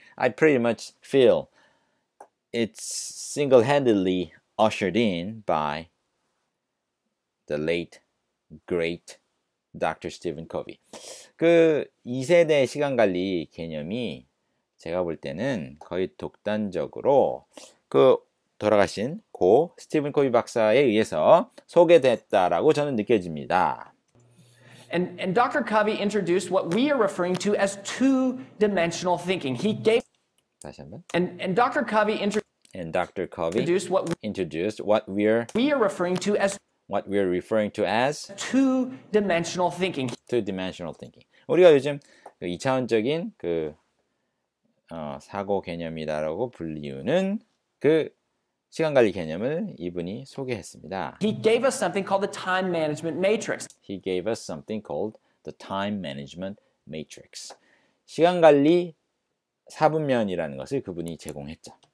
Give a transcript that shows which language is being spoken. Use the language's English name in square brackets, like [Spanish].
[English] I pretty much feel it's single-handedly ushered in by the late great Dr. Stephen Covey. [Korean] 그 2세대 시간 관리 개념이 제가 볼 때는 거의 독단적으로 그 돌아가신 고 스티븐 코비 박사에 의해서 소개됐다라고 저는 느껴집니다. [English] And Dr. Covey introduced what we are referring to as two-dimensional thinking. He gave [Korean] 다시 한번. [English] And Dr. Covey introduced what we are referring to as two-dimensional thinking. Two-dimensional thinking. [Korean] 우리가 요즘 그 2차원적인 그 사고 개념이다라고 불리우는 그 시간 관리 개념을 이분이 소개했습니다. [English] He gave us something called the time management matrix. He gave us something called the time management matrix. [Korean] 시간 관리 사분면이라는 것을 그분이 제공했죠.